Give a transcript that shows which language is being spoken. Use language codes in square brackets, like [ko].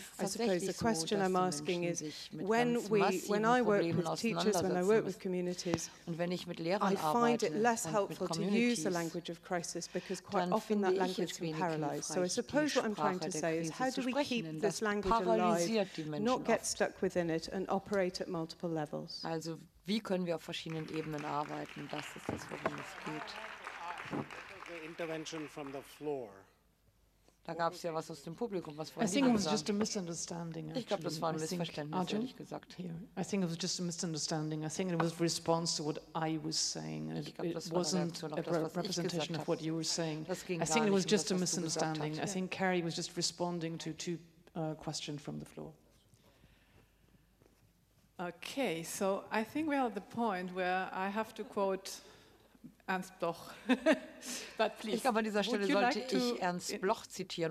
[en] I suppose the question I'm asking is, when I work with teachers, when I work with communities, I find it less helpful to use the language of crisis because quite often that language can paralyze. So I suppose what I'm trying to say is, how do we keep this language alive, not get stuck within it, and operate at multiple levels? [de] Also, wie können wir auf verschiedenen Ebenen arbeiten? Das ist das, worum es geht. [en] Intervention from the floor. [de] Da gab's ja was aus dem Publikum, was [en] I think it was just a misunderstanding. [de] Ich glaube, das war ein Missverständnis, ehrlich gesagt. [en] I think it was just a misunderstanding. I think it was a response to what I was saying. [de] Ich glaub, das war [en] wasn't [de] eine Reaktion, [en] a representation of what you were saying. [de] Das ging [en] I think it was just [de] das, [en] a misunderstanding. I think Carrie was just responding to two questions from the floor. Okay, so I think we are at the point where I have to quote Ernst Bloch. But please, [de] ich glaube, an dieser Stelle sollte [en] like [de] ich Ernst Bloch zitieren.